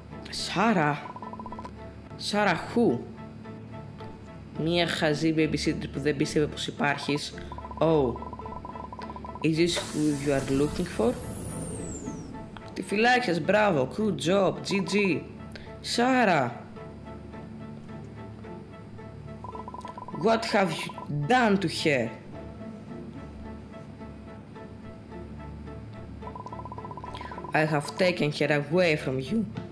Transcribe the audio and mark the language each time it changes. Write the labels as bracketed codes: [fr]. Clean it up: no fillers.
[el] Σάρα, Σάρα Χου, μία χαζή babysitter που δεν πίστευε πως υπάρχεις. [en] Oh, is this who you are looking for? [el] Τη φυλάκιας, μπράβο, [en] good job, GG. Σάρα, what have you done to her? I have taken her away from you.